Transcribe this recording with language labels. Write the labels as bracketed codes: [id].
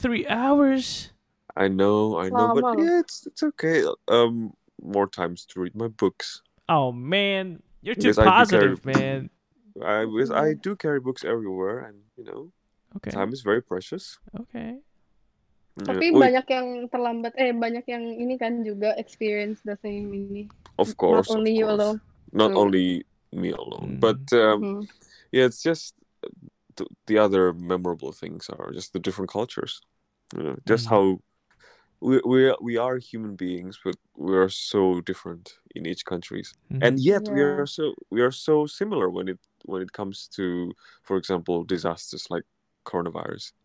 [en] 3 hours? I know, but yeah, it's okay. More times to read my books. Oh man, you're too positive, man. I do carry books everywhere, and you know. Okay. Time is very precious. Okay. [id] Tapi banyak yang terlambat. Banyak yang ini kan juga [en] experience the same [id] ini. [en] Of course. Not only you alone. Not only me alone. But yeah, it's just the other memorable things are just the different cultures. You know, just how we are human beings, but we are so different in each countries, and yet we are so similar when it comes to, for example, disasters like coronavirus.